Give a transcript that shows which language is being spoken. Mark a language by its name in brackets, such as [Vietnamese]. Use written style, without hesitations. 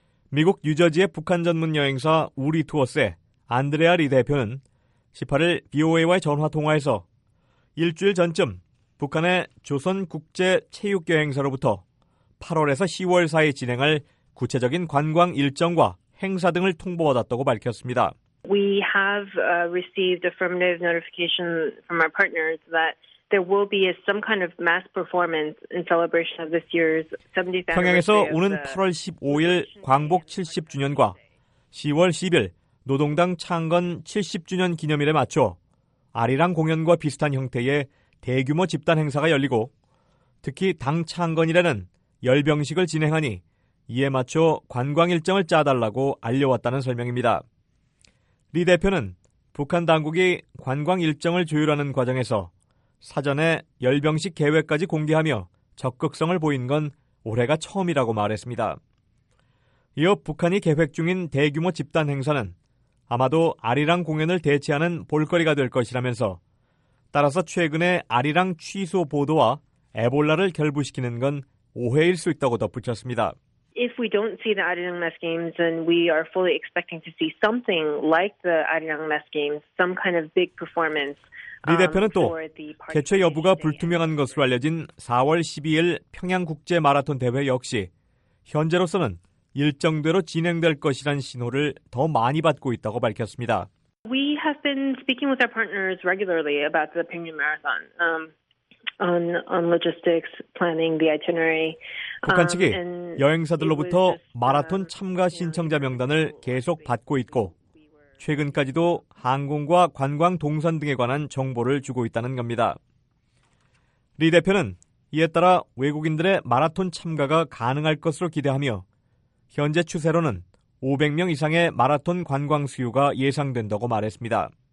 [Korean] 미국 뉴저지의 북한 전문 여행사 우리 투어스의 안드레아 리 대표는 18일 BOA와의 전화통화에서 일주일 전쯤 북한의 조선국제체육여행사로부터 8월에서 10월 사이 진행할 구체적인 관광 일정과 행사 등을 통보받았다고 밝혔습니다. [English] We have received affirmative notification from our partners that there will be some kind of mass performance in celebration of this year's 70th. [Korean] 평양에서 오는 8월 15일 광복 70주년과 10월 10일 노동당 창건 70주년 기념일에 맞춰 아리랑 공연과 비슷한 형태의 대규모 집단 행사가 열리고 특히 당 창건일에는 열병식을 진행하니 이에 맞춰 관광 일정을 짜달라고 알려왔다는 설명입니다. 리 대표는 북한 당국이 관광 일정을 조율하는 과정에서 사전에 열병식 계획까지 공개하며 적극성을 보인 건 올해가 처음이라고 말했습니다. 이어 북한이 계획 중인 대규모 집단 행사는 아마도 아리랑 공연을 대체하는 볼거리가 될 것이라면서 따라서 최근에 아리랑 취소 보도와 에볼라를 결부시키는 건 오해일 수 있다고 덧붙였습니다. [English] If we don't see the Arirang Mess Games, then we are fully expecting to see something like the Arirang Mess Games, some kind of big performance. [Korean] 리 대표는 또 개최 여부가 불투명한 것으로 알려진 4월 12일 평양국제마라톤 대회 역시 현재로서는 일정대로 진행될 것이란 신호를 더 많이 받고 있다고 밝혔습니다. [English] We have been speaking with our partners regularly about the Pyongyang Marathon. On logistics, planning the itinerary. [Korean] 북한 측이 여행사들로부터 마라톤 참가 신청자 명단을 계속 받고 있고 최근까지도 항공과 관광 동선 등에 관한 정보를 주고 있다는 겁니다. 리 대표는 이에 따라 외국인들의 마라톤 참가가 가능할 것으로 기대하며 현재 추세로는 500명 이상의 마라톤 관광 수요가 예상된다고 말했습니다.